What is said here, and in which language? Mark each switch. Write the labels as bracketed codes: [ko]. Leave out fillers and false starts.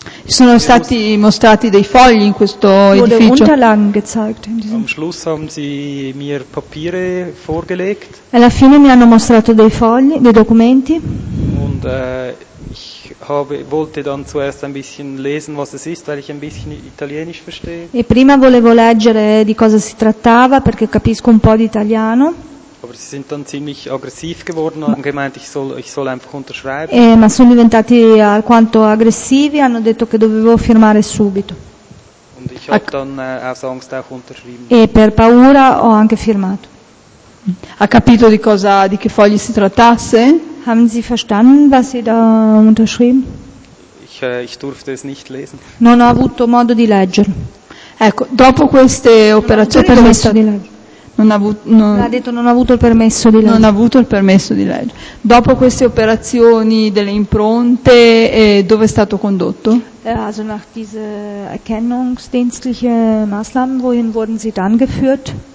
[it] Sono stati mostrati dei fogli in questo edificio. [de] Unterlagen gezeigt in diesem. Am Schluss haben sie mir Papiere vorgelegt. [it] Alla fine mi hanno mostrato dei fogli, dei documenti. [de] Und ich wollte dann zuerst ein bisschen lesen, was es ist, weil ich ein bisschen Italienisch verstehe. [it] E prima volevo leggere di cosa si trattava perché capisco un po' di italiano. [de] Aber sie sind dann ziemlich aggressiv geworden und haben gemeint, ich soll einfach unterschreiben. [it] Ma sono diventati alquanto aggressivi, hanno detto che dovevo firmare subito. [de] Und ich habe dann aus Angst auch unterschrieben. [it] E per paura ho anche firmato. Ha capito di che fogli si trattasse? [de] Haben Sie verstanden, was Sie da unterschrieben? Ich durfte es nicht lesen. [it] Non ho avuto modo di leggere. Ecco, dopo queste operazioni per questo di leggere. Non ha avuto il permesso di leggere. Dopo queste operazioni delle impronte, dove è stato condotto? [de] Also nach diese erkennungsdienstliche Maßnahmen, wohin wurden sie dann geführt?